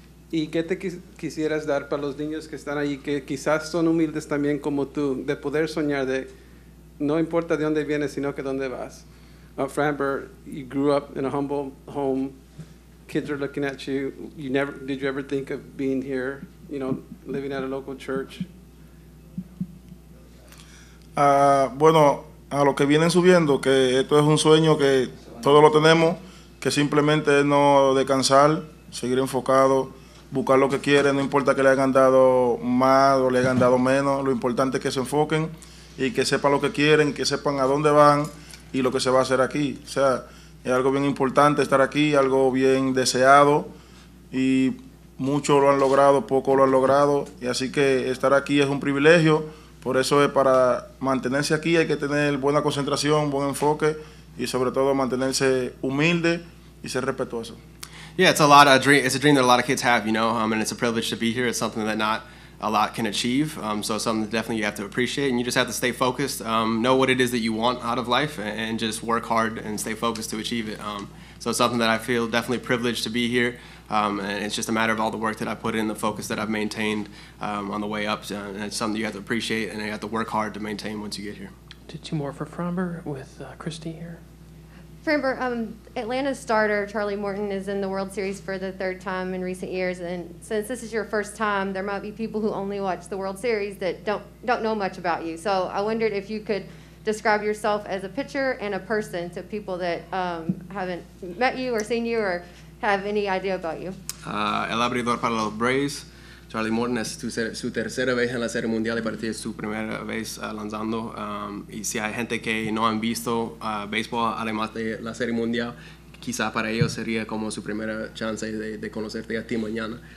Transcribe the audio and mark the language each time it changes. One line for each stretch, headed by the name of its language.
Spanish: ¿Y qué te quisieras dar para los niños que están ahí, que quizás son humildes también como tú, de poder soñar de, no importa de dónde vienes, sino que dónde vas?
English: Framber, you grew up in a humble home. Kids are looking at you. Did you ever think of being here? you know, living at a local church?
Spanish: Bueno, a los que vienen subiendo, que esto es un sueño que todos lo tenemos, que simplemente es no descansar, seguir enfocado, buscar lo que quieren, no importa que le hayan dado más o le hayan dado menos, lo importante es que se enfoquen y que sepan lo que quieren, que sepan a dónde van y lo que se va a hacer aquí. O sea, es algo bien importante estar aquí, algo bien deseado, y muchos lo han logrado, pocos lo han logrado, y así que estar aquí es un privilegio. Por eso es, para mantenerse aquí hay que tener buena concentración, buen enfoque, y sobre todo mantenerse humilde y ser respetuoso.
English: Yeah, it's a lot of dream. It's a dream that a lot of kids have, you know, and it's a privilege to be here. It's something that not a lot can achieve. So it's something that definitely you have to appreciate, and you just have to stay focused. Know what it is that you want out of life, and just work hard and stay focused to achieve it. So it's something that I feel definitely privileged to be here. And it's just a matter of all the work that I put in, the focus that I've maintained on the way up. And it's something you have to appreciate, and you have to work hard to maintain once you get here. Two more for Fromber with Christy here. Fromber, Atlanta's starter, Charlie Morton, is in the World Series for the third time in recent years. And since this is your first time, there might be people who only watch the World Series that don't know much about you. So I wondered if you could describe yourself as a pitcher and a person to people that haven't met you or seen you or have any idea about you.
Spanish: El abridor para los Braves, Charlie Morton, es su tercera vez en la Serie Mundial y para ti es su primera vez lanzando. Y si hay gente que no han visto béisbol además de la Serie Mundial, quizá para ellos sería como su primera chance de conocerte a ti mañana.